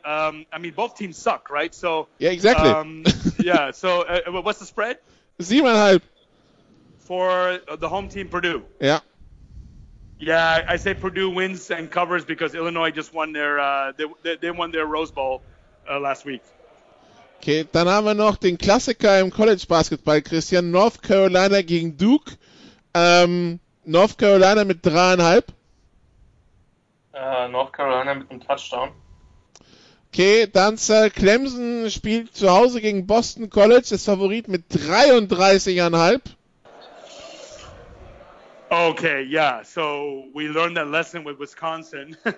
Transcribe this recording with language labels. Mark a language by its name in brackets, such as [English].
[English] I mean, both teams suck, right? So yeah, exactly. So what's the spread? 7.5. For the home team, Purdue. Yeah. Yeah, I say Purdue wins and covers because Illinois just won their they won their Rose Bowl last week. [German] Okay, dann haben wir noch den Klassiker im College Basketball, Christian. North Carolina gegen Duke. North Carolina mit 3,5. North Carolina mit einem Touchdown. Okay, dann Clemson spielt zu Hause gegen Boston College, das Favorit mit 33,5. [English] Okay, yeah, so we learned that lesson with Wisconsin.